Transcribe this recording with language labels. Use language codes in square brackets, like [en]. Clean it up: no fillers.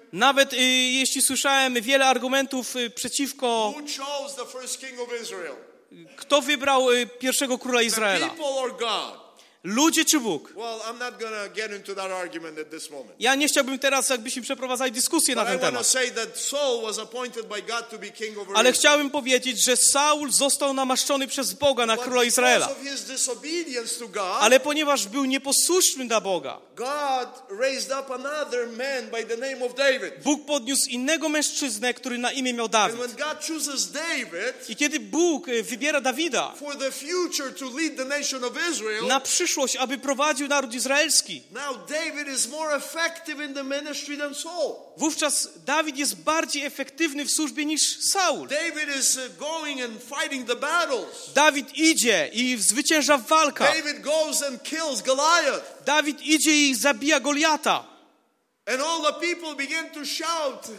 [pl] Nawet jeśli słyszałem wiele argumentów przeciwko, [en] who chose the first king of Israel? [pl] Kto wybrał pierwszego króla Izraela? [en] The people or God? [pl] Ludzie czy Bóg? [en] Well, I'm not gonna get into that argument at this moment. [pl] Ja nie chciałbym teraz, jakbyśmy przeprowadzali dyskusję [en] But [pl] na ten temat. [en] I wanna say that Saul was appointed by God to be king over Israel. [pl] Ale chciałbym powiedzieć, że Saul został namaszczony przez Boga na [en] But [pl] króla Izraela. [en] Because of his disobedience to God, [pl] ale ponieważ był nieposłuszny dla Boga, [en] God raised up another man by the name of David. [pl] Bóg podniósł innego mężczyznę, który na imię miał Dawid. [en] And when God chooses David, [pl] i kiedy Bóg wybiera Dawida, [en] for the future to lead the nation of Israel, [pl] na przyszłość, aby prowadził naród izraelski. [en] Now David is more effective in the ministry than Saul. [pl] Wówczas Dawid jest bardziej efektywny w służbie niż Saul. [en] David is going and fighting the battles. [pl] Dawid idzie i zwycięża w walkach. [en] David goes and kills Goliath. [pl] Dawid idzie i zabija Goliata. [en] And all the people begin to shout,